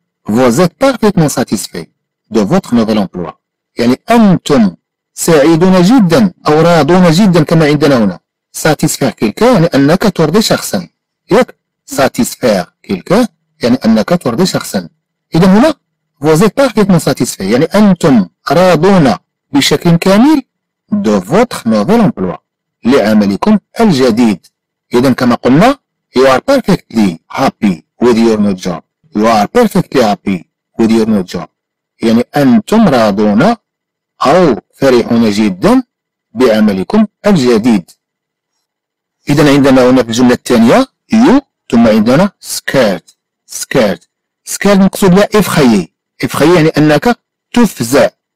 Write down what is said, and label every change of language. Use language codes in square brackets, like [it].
[fr] Vous êtes parfaitement satisfait de votre nouvel emploi. [ar] يعني أنتم سعيدون جدا أو راضون جدا كما عندنا هنا. [fr] Satisfaire quelqu'un [ar] يعني أنك ترضي شخصا. ياك؟ Satisfaire quelqu'un يعني أنك ترضي شخصا. إذا هنا [fr] Vous êtes parfaitement satisfait. [ar] يعني أنتم راضون بشكل كامل [fr] de votre nouvel emploi. [ar] لعملكم الجديد. إذا كما قلنا [en] You are perfectly happy with your new job. You are perfectly happy with your new job. [ar] يعني أنتم راضون أو فرحون جدا بعملكم الجديد. إذن عندنا هنا في الجملة الثانية you ثم عندنا scared. Scared مقصود لا إفخي يعني أنك تفزع.